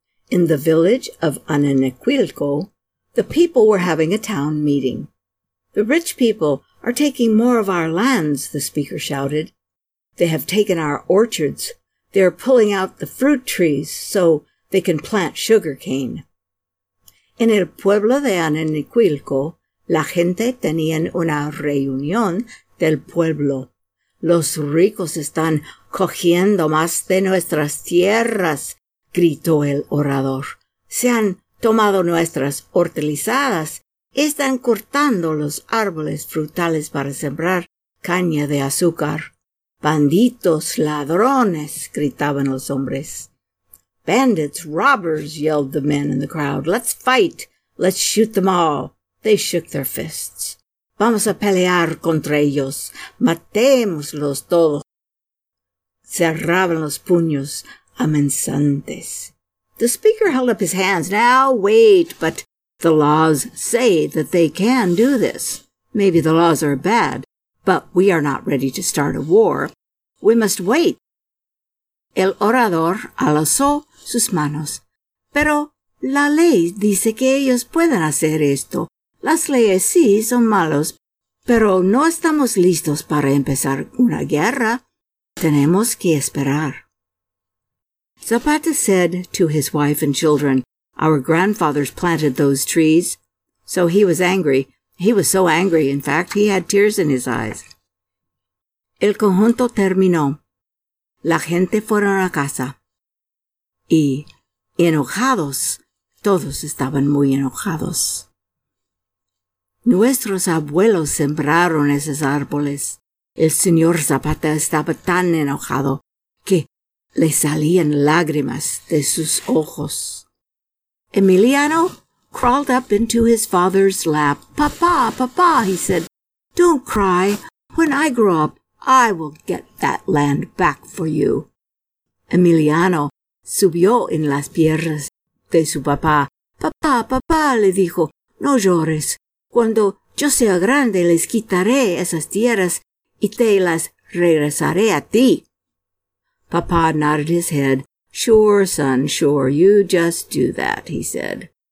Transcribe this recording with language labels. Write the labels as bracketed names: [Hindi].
[English] In the village of Ananequilco, the people were having a town meeting. "The rich people are taking more of our lands," the speaker shouted. "They have taken our orchards. They are pulling out the fruit trees so they can plant sugar cane." [Spanish] En el pueblo de Ananequilco, la gente tenía una reunión del pueblo. "Los ricos están cogiendo más de nuestras tierras," gritó el orador. "Se han tomado nuestras hortalizadas, están cortando los árboles frutales para sembrar caña de azúcar." "Banditos ladrones," gritaban los hombres. [English] "Bandits, robbers," yelled the men in the crowd. "Let's fight, let's shoot them all." They shook their fists. [Spanish] "Vamos a pelear contra ellos, matémoslos todos." Cerraban los puños amenazantes. [English] The speaker held up his hands. "Now wait, but the laws say that they can do this. Maybe the laws are bad, but we are not ready to start a war. We must wait." [Spanish] El orador alzó sus manos. "Pero la ley dice que ellos pueden hacer esto. Las leyes sí son malos, pero no estamos listos para empezar una guerra. Tenemos que esperar." [English] Zapata said to his wife and children, "Our grandfathers planted those trees." So he was angry. He was so angry, in fact, he had tears in his eyes. [Spanish] El conjunto terminó. La gente fueron a casa. Y enojados, todos estaban muy enojados. Nuestros abuelos sembraron esos árboles. El señor Zapata estaba tan enojado que le salían lágrimas de sus ojos. [English] Emiliano crawled up into his father's lap. "Papa, papa," he said, "don't cry. When I grow up, I will get that land back for you." [Spanish] Emiliano subió en las piernas de su papá. "Papá, papá," le dijo, "no llores. Cuando yo sea grande, les quitaré esas tierras y te las regresaré a ti." [English] Papá nodded his head. "Sure, son, sure, you just do that," he said.